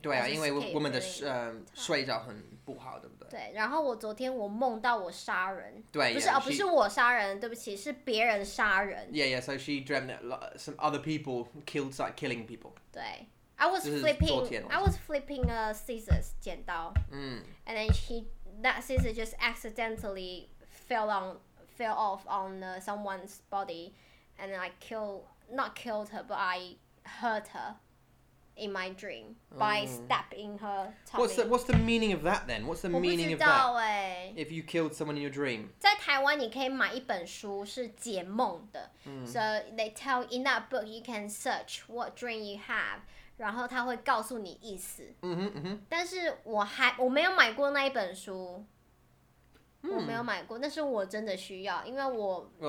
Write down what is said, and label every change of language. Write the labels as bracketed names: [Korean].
[Chinese] 对啊，因为我们的睡觉很。不好，对不对？对，然后我昨天我梦到我杀人，对，不是 [English] yeah, [Chinese] 哦，不是我杀人，对不起，是别人杀人。 [English] Yeah, yeah. So she dreamt that some other people killed, started killing people. 对 ，I was flipping a scissors, 剪刀。 And then that scissors just accidentally fell off on someone's body, and I not killed her, but I hurt her. In my dream, by stabbing her tummy. What's the meaning of that then? What's the meaning of that? If you killed someone in your dream. [Chinese] 在台湾你可以买一本书是解梦的。 [English] So they tell in that book you can search what dream you have, [Chinese] 然后他会告诉你意思。但是我没有买过那一本书。我没有买过，但是我真的需要，因为我